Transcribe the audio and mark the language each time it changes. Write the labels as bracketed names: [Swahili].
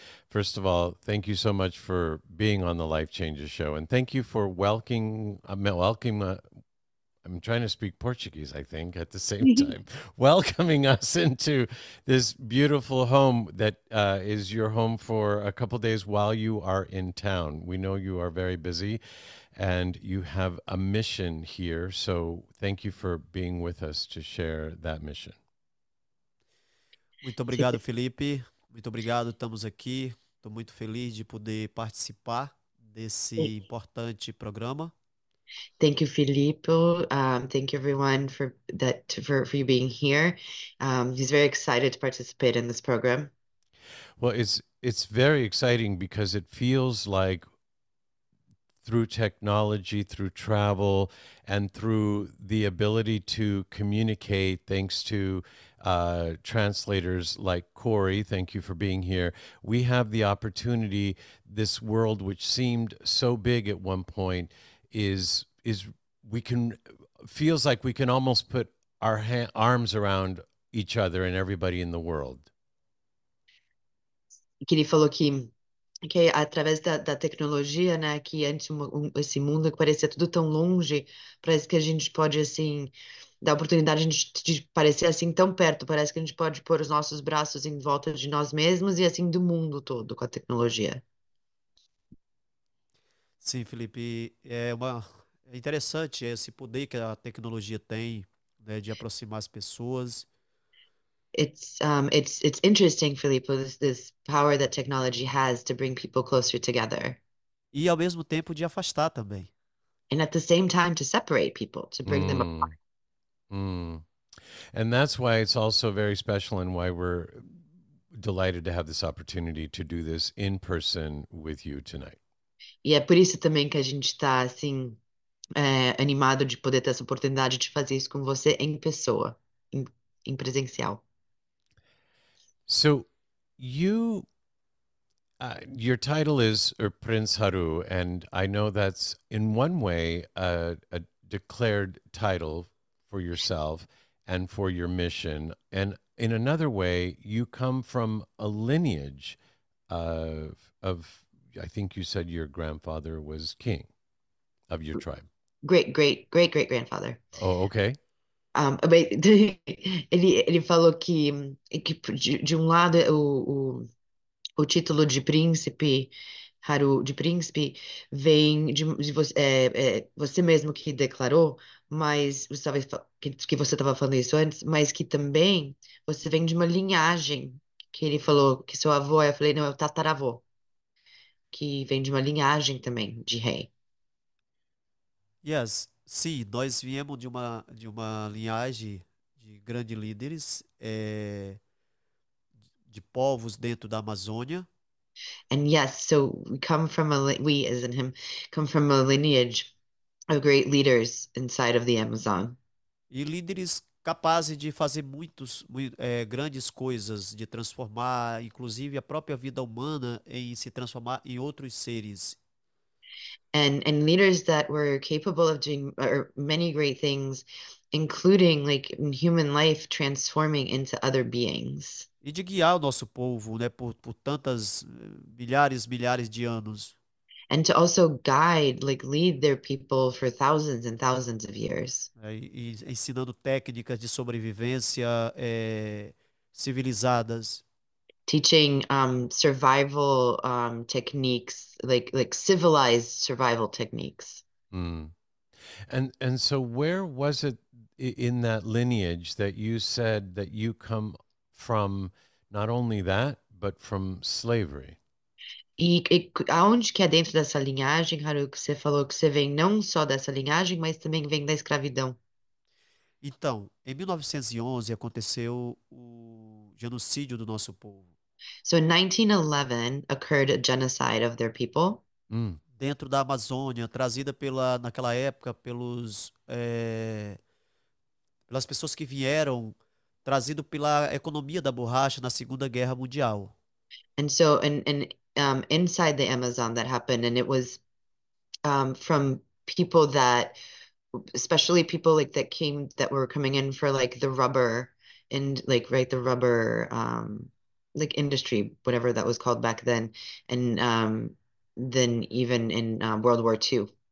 [English] First of all, thank you so much for being on the Life Changes Show, and thank you for welcoming us into this beautiful home that is your home for a couple of days while you are in town. We know you are very busy and you have a mission here. So thank you for being with us to share that mission. [Portuguese] Muito obrigado, Felipe. Muito obrigado, estamos aqui. Estou muito feliz de poder participar desse importante programa. [English] Thank you, Filippo. Thank you, everyone, for you being here. He's very excited to participate in this program. Well, it's very exciting because it feels like through technology, through travel, and through the ability to communicate, thanks to translators like Corey, thank you for being here, we have the opportunity, this world which seemed so big at one point, feels like we can almost put our arms around each other and everybody in the world. [Portuguese] Que ele falou que através da tecnologia, né, que antes esse mundo que parecia tudo tão longe, parece que a gente pode assim dar oportunidade de parecer assim tão perto, parece que a gente pode pôr os nossos braços em volta de nós mesmos e assim do mundo todo com a tecnologia. Sim, Felipe, é interessante esse poder que a tecnologia tem, né, de aproximar as pessoas. [English] It's interesting, Felipe, this power that technology has to bring people closer together. [Portuguese] E ao mesmo tempo de afastar também. [English] And at the same time to separate people, to bring them apart. And that's why it's also very special and why we're delighted to have this opportunity to do this in person with you tonight. [Portuguese] E é por isso também que a gente está assim, animado de poder ter essa oportunidade de fazer isso com você em pessoa, em presencial. [English] So, your title is Prince Haru, and I know that's in one way a declared title for yourself and for your mission. And in another way, you come from a lineage of I think you said your grandfather was king of your tribe. Great, great, great, great grandfather. Oh, okay. [Portuguese] Ele falou que de um lado o título de príncipe, Haru, de príncipe, vem de você mesmo que declarou, mas você tava, que você estava falando isso antes, mas que também você vem de uma linhagem que ele falou que seu avô, eu falei, não, é o tataravô. Que vem de uma linhagem também, de rei. Yes, sim, nós viemos de uma linhagem de grandes líderes, de povos dentro da Amazônia. [English] And yes, so we come from a lineage of great leaders inside of the Amazon. [Portuguese] E líderes capazes de fazer grandes coisas, de transformar, inclusive, a própria vida humana em se transformar em outros seres. [English] And leaders that were capable of doing many great things, including like human life transforming into other beings. [Portuguese] E de guiar o nosso povo, né, por tantas milhares, milhares de anos. [English] And to also guide, like lead their people for thousands and thousands of years. [Portuguese] E ensinando técnicas de sobrevivência, civilizadas. [English] Teaching survival techniques, like civilized survival techniques. And so where was it in that lineage that you said that you come from not only that, but from slavery? [Portuguese] E aonde que é dentro dessa linhagem, Haruki, que você falou que você vem não só dessa linhagem, mas também vem da escravidão? Então, em 1911 aconteceu o genocídio do nosso povo. [English] So in 1911 occurred a genocide of their people. [Portuguese] Dentro da Amazônia, trazida naquela época pelas pessoas que vieram, trazido pela economia da borracha na Segunda Guerra Mundial. [English] And so inside the Amazon that happened, and it was from people that, especially people like that came that were coming in for like the rubber and like right the rubber like industry, whatever that was called back then, and then even in World War II.